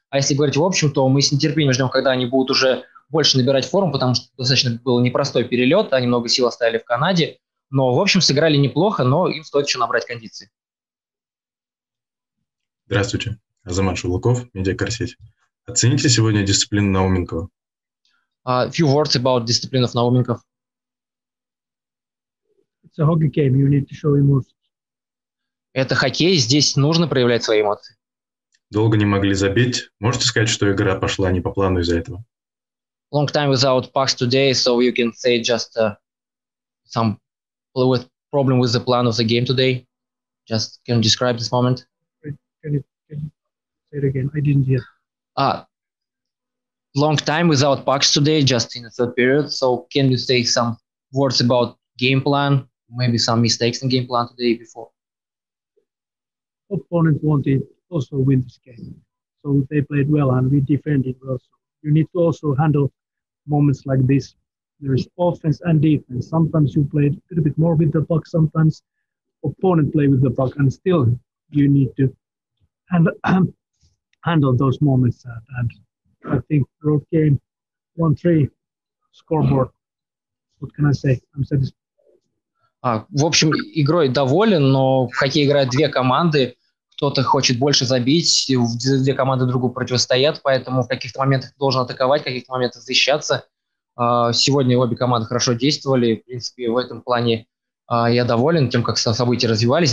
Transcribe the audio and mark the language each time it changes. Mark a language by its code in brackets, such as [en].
[ru] А если говорить в общем, то мы с нетерпением ждем, когда они будут уже больше набирать форму, потому что достаточно был непростой перелет, они много сил оставили в Канаде. Но, в общем, сыграли неплохо, но им стоит еще набрать кондиции. Здравствуйте, Азамат Шулаков, медиакорсеть. Оцените сегодня дисциплину Науменкова. [en] A few words about discipline of Науменков. It's a hockey game, you need to show emotions. [ru] Это хоккей, здесь нужно проявлять свои эмоции. Долго не могли забить. Можете сказать, что игра пошла не по плану из-за этого? [en] Long time without pucks today, so you can say just some problem with the plan of the game today. Just can you describe this moment? Can you say it again? I didn't hear. Long time without pucks today, just in the third period. So can you say some words about game plan? Maybe some mistakes in game plan today before? Opponent wanted also win this game. So they played well and we defended well. So you need to also handle moments like this. There is offense and defense. Sometimes you play a little bit more with the puck. Sometimes opponent play with the puck. And still you need to handle those moments, and I think road game 1-3 scoreboard. What can I say? I'm satisfied. [ru] В общем, игрой доволен, но в хоккей играют две команды. Кто-то хочет больше забить, две команды другу противостоят, поэтому в каких-то моментах должен атаковать, в каких-то моментах защищаться. Сегодня обе команды хорошо действовали. В принципе, в этом плане я доволен тем, как события развивались.